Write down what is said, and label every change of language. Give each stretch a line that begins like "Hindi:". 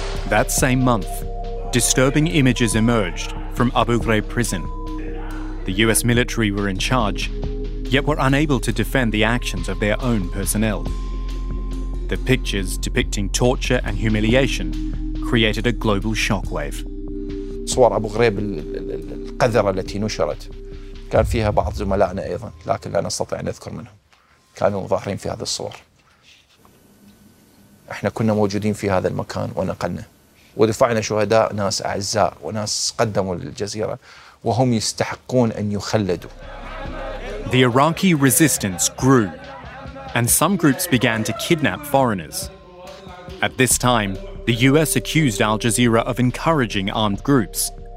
English: That same month, disturbing images emerged from Abu Ghraib prison. The US military were in charge, yet were unable to defend the actions of their own personnel. The pictures depicting torture and humiliation created a global shockwave.
Arabic: صور أبو غريب القذرة التي نشرت كان فيها بعض زملائنا أيضا لكن لا نستطيع أن نذكر منهم كانوا ظاهرين في هذه الصور. إحنا كنا موجودين في هذا المكان ونقلنا ودفعنا شهداء ناس أعزاء وناس قدموا للجزيرة وهم يستحقون أن يخلدوا.
English: The Iraqi resistance grew, and some groups began to kidnap foreigners. At this time, the US accused Al Jazeera of encouraging armed groups.